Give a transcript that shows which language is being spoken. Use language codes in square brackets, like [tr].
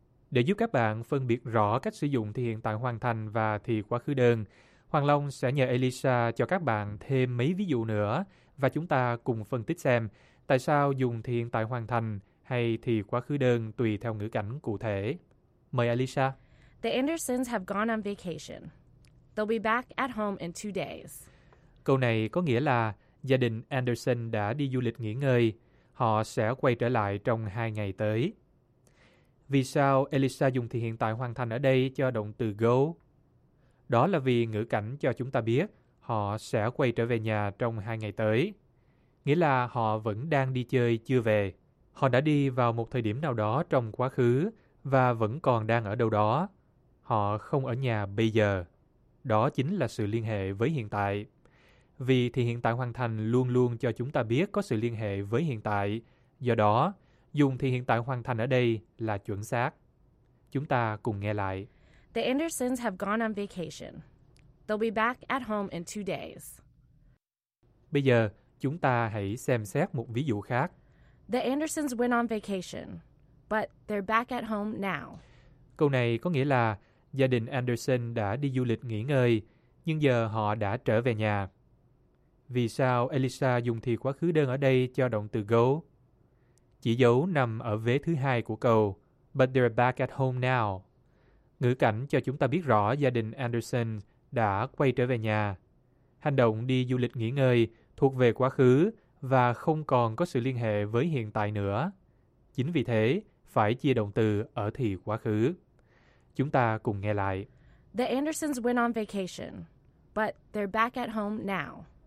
[vi] Để giúp các bạn phân biệt rõ cách sử dụng thì hiện tại hoàn thành và thì quá khứ đơn, Hoàng Long sẽ nhờ Alicia cho các bạn thêm mấy ví dụ nữa và chúng ta cùng phân tích xem tại sao dùng thì hiện tại hoàn thành hay thì quá khứ đơn tùy theo ngữ cảnh cụ thể. Mời Alicia. [en] The Andersons have gone on vacation. They'll be back at home in 2 days. [vi] Câu này có nghĩa là gia đình Anderson đã đi du lịch nghỉ ngơi. Họ sẽ quay trở lại trong 2 ngày tới. Vì sao Elisa dùng thì hiện tại hoàn thành ở đây cho động từ go? Đó là vì ngữ cảnh cho chúng ta biết họ sẽ quay trở về nhà trong 2 ngày tới. Nghĩa là họ vẫn đang đi chơi chưa về. Họ đã đi vào một thời điểm nào đó trong quá khứ và vẫn còn đang ở đâu đó. Họ không ở nhà bây giờ. Đó chính là sự liên hệ với hiện tại. Vì thì hiện tại hoàn thành luôn luôn cho chúng ta biết có sự liên hệ với hiện tại. Do đó, dùng thì hiện tại hoàn thành ở đây là chuẩn xác. Chúng ta cùng nghe lại. [en] The Andersons have gone on vacation. They'll be back at home in 2 days. [vi] Bây giờ, chúng ta hãy xem xét một ví dụ khác. [en] The Andersons went on vacation, but they're back at home now. [vi] Câu này có nghĩa là gia đình Anderson đã đi du lịch nghỉ ngơi, nhưng giờ họ đã trở về nhà. Vì sao Elisa dùng thì quá khứ đơn ở đây cho động từ go? Chỉ dấu nằm ở vế thứ hai của câu, [en] but they're back at home now. [vi] Ngữ cảnh cho chúng ta biết rõ gia đình Anderson đã quay trở về nhà. Hành động đi du lịch nghỉ ngơi thuộc về quá khứ và không còn có sự liên hệ với hiện tại nữa. Chính vì thế, phải chia động từ ở thì quá khứ. Chúng ta cùng nghe lại. [en] The Andersons went on vacation, but they're back at home now.